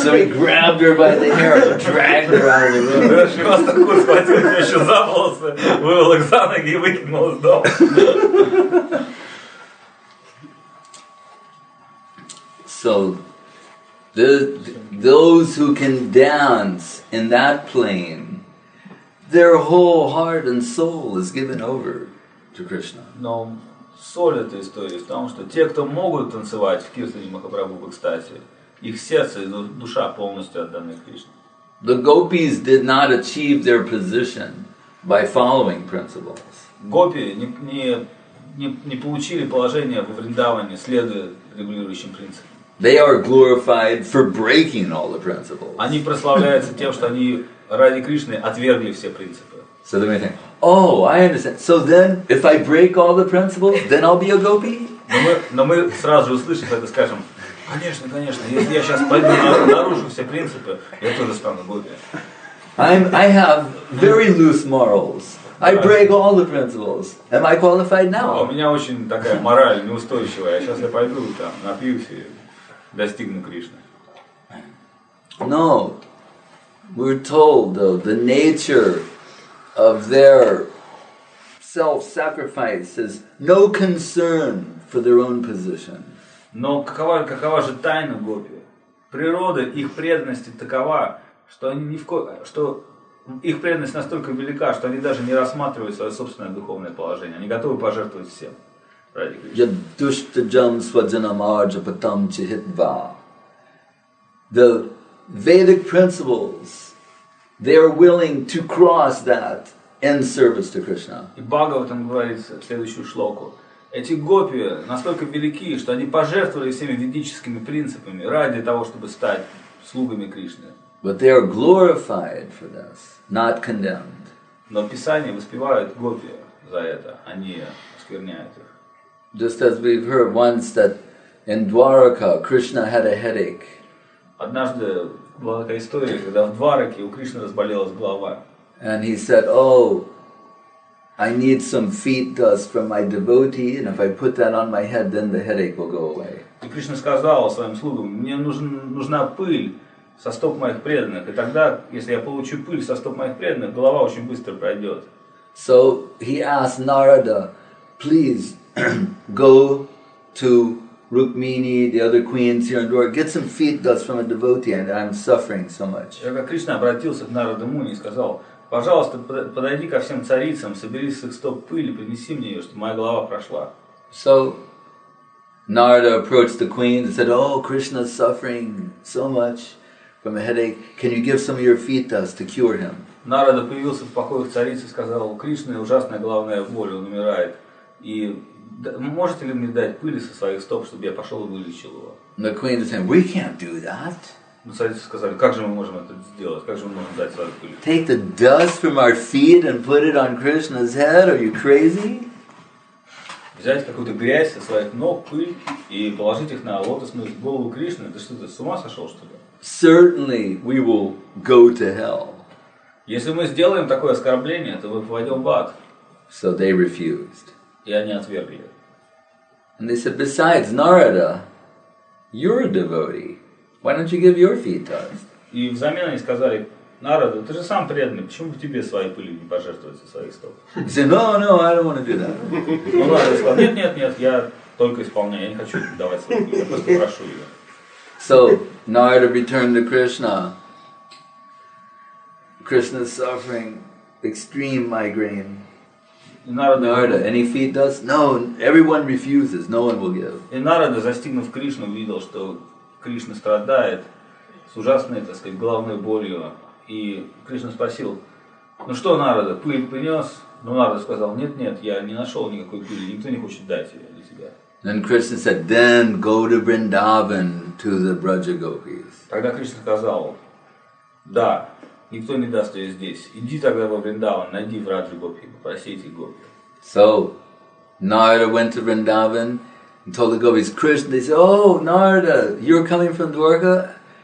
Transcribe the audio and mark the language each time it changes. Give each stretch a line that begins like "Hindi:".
English: So he grabbed her by the hair and dragged her out of the room.
Russian: Шривас Такур схватил тещу за волосы, вывел их за ноги и выкинул из дома.
English: So those who can dance in that plane, their whole heart and soul is given over to Krishna.
Russian: Но соль этой истории в том, что те, кто могут танцевать в киртане Махапрабху в экстазе, их сердце и душа полностью отданы Кришне.
English: The gopis did not achieve their position by following principles.
Russian: Гопи не получили положение во Вриндаване, следуя регулирующим принципам.
English: They are glorified for breaking all the principles.
Russian: Они прославляются тем, что они ради Кришны отвергли все принципы.
English: So they may think, oh, I understand. So then, if I break all the principles, then I'll be a gopi?
Russian: Но мы сразу же услышим это, скажем, конечно, конечно, если я сейчас пойду нарушу все принципы, я тоже стану гопи.
English: I have very loose morals. I break all the principles. Am I qualified now?
Russian: У меня очень такая мораль неустойчивая. Сейчас я пойду там, напьюсь и достигну Кришны.
English: No. We're told, though, the nature of their self-sacrifice is no concern for their own position.
Russian: Но какова же тайна гопи? Природа их преданности такова, что их преданность настолько велика, что они даже не рассматривают свое собственное духовное положение. Они готовы пожертвовать всем ради Кришны.
Sanskrit: Yadushtajam svajanam arjapatam chihitva.
English: The Vedic principles, they are willing to cross that in service to Krishna.
Russian: И Бхагаватам говорится в следующую шлоку. Эти гопи настолько велики, что они пожертвовали всеми ведическими принципами ради того, чтобы стать слугами Кришны.
English: But they are glorified for this, not condemned.
Russian: Но Писание воспевает гопи за это, а не оскверняет их.
English: Just as we've heard once that in Dwaraka Krishna had a headache.
Russian: Однажды была такая история, когда в Двараке у Кришны разболелась голова.
English: And he said, oh, I need some feet dust from my devotee, and if I put that on my head, then the headache will go away.
Russian: И Кришна сказал своим слугам, мне нужна пыль со стоп моих преданных, и тогда, если я получу пыль со стоп моих преданных, голова очень быстро пройдет.
English: So he asked Narada, please go to Rukmini, the other queens here in Dwarka, get some feet dust from a devotee, and I'm suffering so much.
Russian: Когда Кришна обратился к Нараду Муни и сказал, пожалуйста, подойди ко всем царицам, собери с их стоп пыль и принеси мне ее, чтобы моя голова прошла.
English: So Narada approached the queens and said, oh, Krishna's suffering so much from a headache. Can you give some of your feet dust to cure him?
Russian: Нарада появился в покоях царицы и сказал, Кришна, ужасная головная боль, он умирает. И можете ли мне дать пыли со своих стоп, чтобы я пошел и вылечил его?
English: The queen said, we can't do that.
Russian: Но царицы сказали, как же мы можем это сделать? Как же мы можем дать свою пыль?
English: Take the dust from our feet and put it on Krishna's head? Are you crazy?
Russian: Взять какую-то грязь со своих ног, пыль, и положить их на лотосную голову Кришны? Ты что, ты с ума сошел, что ли?
English: Certainly we will go to hell.
Russian: Если мы сделаем такое оскорбление, то мы попадем в ад.
English: So they refused.
Russian: И они отвергли.
English: And they said, besides, Narada, you're a devotee. Why don't you give your feet dust?
Russian: И взамен они сказали, Нарада, ты же сам преданный, почему бы тебе своей пыли не пожертвовать со своих стоп?
English: He said, no, no, I don't want to do that.
Russian: Но Нарада сказал, нет, нет, нет, я только исполняю, я не хочу давать свою пыль, я просто прошу ее.
English: So Narada returned to Krishna. Krishna's suffering extreme migraine. Narada, any feed does? No, everyone refuses. No one will give.
Russian: И Нарада, застигнув Кришну, видел, что Кришна страдает с ужасной, так сказать, головной болью. И Кришна спросил: ну что, Нарада, пыль принес? Но Нарада сказал: нет, нет, я не нашел никакой пыли, никто не хочет дать ее для себя.
English: Then Krishna said, then go to Vrindavan to the Braja Gopis.
Russian: Тогда Кришна сказал: да, никто не даст ее здесь. Иди тогда во Вриндаван, найди Враджу Гопи, попроси эти гопи.
English: So Narada went to Vrindavan and told the gopis, Krishna, they said, oh, Narada, you're coming from Dwarka?